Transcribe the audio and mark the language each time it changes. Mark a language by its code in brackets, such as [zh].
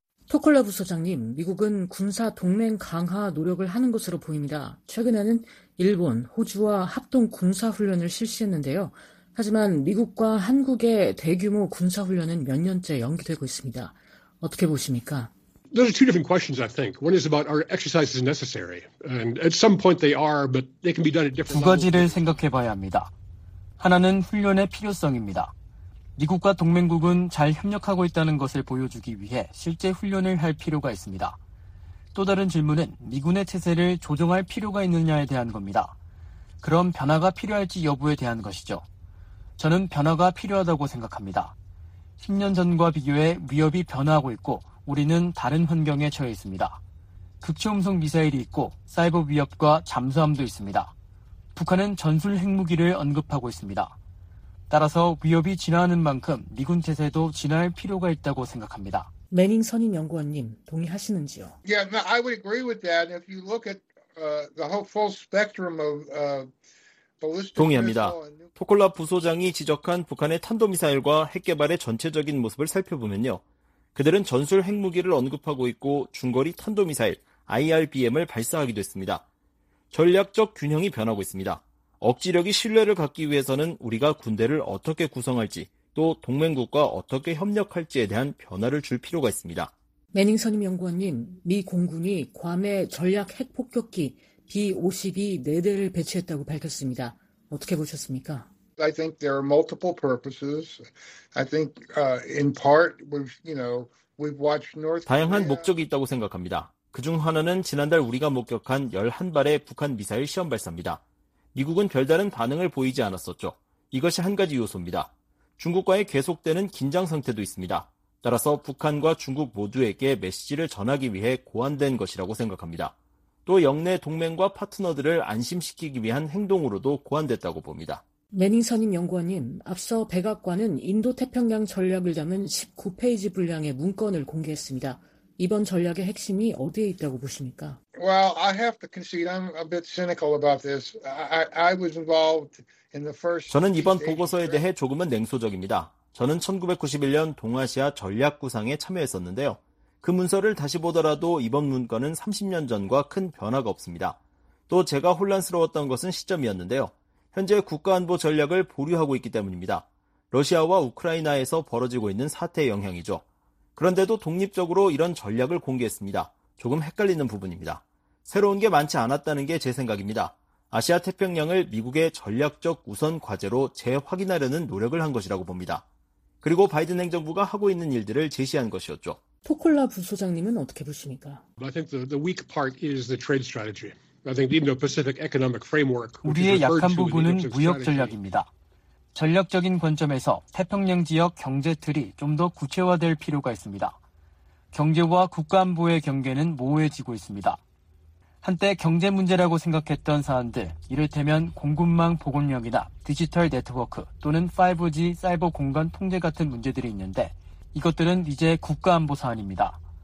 [ko] 토컬러 부소장님, 미국은 군사동맹 강화 노력을 하는 것으로 보입니다. 최근에는 일본, 호주와 합동 군사훈련을 실시했는데요. 하지만 미국과 한국의 대규모 군사훈련은 몇 년째 연기되고 있습니다. 어떻게 보십니까? [en] Those are two different questions, I think. One is about are exercises necessary? And at some point they are, but they can be done at different levels. [ko] 두 가지를 생각해 봐야 합니다. 하나는 훈련의 필요성입니다. 미국과 동맹국은 잘 협력하고 있다는 것을 보여주기 위해 실제 훈련을 할 필요가 있습니다. 또 다른 질문은 미군의 체세를 조정할 필요가 있느냐에 대한 겁니다. 그럼 변화가 필요할지 여부에 대한 것이죠. 저는 변화가 필요하다고 생각합니다. 10년 전과 비교해 위협이 변화하고 있고 우리는 다른 환경에 처해 있습니다. 극초음속 미사일이 있고 사이버 위협과 잠수함도 있습니다. 북한은 전술 핵무기를 언급하고 있습니다. 따라서 위협이 진화하는 만큼 미군 체제도 진화할 필요가 있다고 생각합니다. 매닝 선임 연구원님, 동의하시는지요? [en] Yeah, no, I would agree with that. If you look at the whole full spectrum of ballistic [ko] 동의합니다. 토콜라 부소장이 지적한 북한의 탄도미사일과 핵개발의 전체적인 모습을 살펴보면요. 그들은 전술 핵무기를 언급하고 있고 중거리 탄도미사일 IRBM을 발사하기도 했습니다. 전략적 균형이 변하고 있습니다. 억지력이 신뢰를 갖기 위해서는 우리가 군대를 어떻게 구성할지 또 동맹국과 어떻게 협력할지에 대한 변화를 줄 필요가 있습니다. 매닝 선임 연구원님, 미 공군이 괌의 전략 핵폭격기 B-52 4대를 배치했다고 밝혔습니다. 어떻게 보셨습니까? [en] I think there are multiple purposes. I think in part we've watched North Korea. [ko] 다양한 목적이 있다고 생각합니다. 그중 하나는 지난달 우리가 목격한 11발의 북한 미사일 시험 발사입니다. 미국은 별다른 반응을 보이지 않았었죠. 이것이 한 가지 요소입니다. 중국과의 계속되는 긴장 상태도 있습니다. 따라서 북한과 중국 모두에게 메시지를 전하기 위해 고안된 것이라고 생각합니다. 또 영내 동맹과 파트너들을 안심시키기 위한 행동으로도 고안됐다고 봅니다. 매닝 선임 연구원님, 앞서 백악관은 인도-태평양 전략을 담은 19페이지 분량의 문건을 공개했습니다. 이번 전략의 핵심이 어디에 있다고 보십니까? [en] Well, I have to concede I'm a bit cynical about this. I was involved in the first. [ko] 저는 이번 보고서에 대해 조금은 냉소적입니다. 저는 1991년 동아시아 전략 구상에 참여했었는데요. 그 문서를 다시 보더라도 이번 문건은 30년 전과 큰 변화가 없습니다. 또 제가 혼란스러웠던 것은 시점이었는데요. 현재 국가안보 전략을 보류하고 있기 때문입니다. 러시아와 우크라이나에서 벌어지고 있는 사태의 영향이죠. 그런데도 독립적으로 이런 전략을 공개했습니다. 조금 헷갈리는 부분입니다. 새로운 게 많지 않았다는 게 제 생각입니다. 아시아 태평양을 미국의 전략적 우선 과제로 재확인하려는 노력을 한 것이라고 봅니다. 그리고 바이든 행정부가 하고 있는 일들을 제시한 것이었죠. 토콜라 부소장님은 어떻게 보십니까? [en] I think the weak part is the trade strategy. I think the Indo-Pacific economic framework. [ko] 우리의 약한 부분은 무역 전략입니다. 전략적인 관점에서 태평양 지역 경제 틀이 좀 더 구체화될 필요가 있습니다. 경제와 국가안보의 경계는 모호해지고 있습니다. 한때 경제 문제라고 생각했던 사안들, 이를테면 공급망 보건력이나 디지털 네트워크 또는 5G 사이버 공간 통제 같은 문제들이 있는데 이것들은 이제 국가안보 사안입니다.